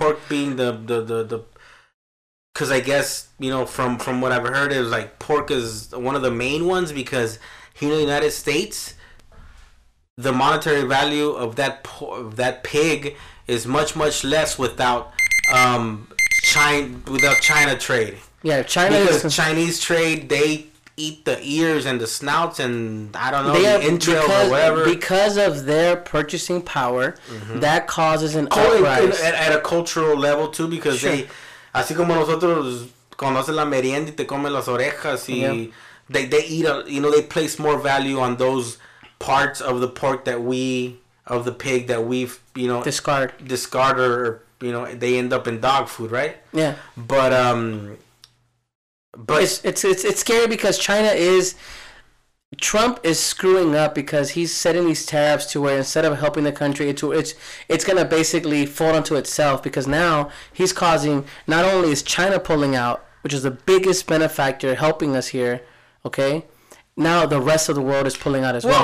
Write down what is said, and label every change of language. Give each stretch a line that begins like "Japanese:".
English: Pork being the because I guess, you know, from what I've heard, is like pork is one of the main ones, because here in the United States, the monetary value of that pig is much, much less without China trade. Yeah, China is... Because Chinese trade, they eat the ears and the snouts and, I don't know, the entrails or whatever. Because of their purchasing power, that causes an uprise. At a cultural level, too, because they...
Spanish: Así como nosotros conocen la merienda y te comen las orejas y...
English: Yeah. They eat a, you know, they place more value on those parts of the pork that we, of the pig that we've, you know, discard or, you know, they end up in dog food, right? Yeah. But it's scary, because Trump is screwing up, because he's setting these tariffs to where, instead of helping the country, it's going to basically fold onto itself, because now he's causing, not only is China pulling out, which is the biggest benefactor helping us here, okay, now the rest of the world is pulling out as well.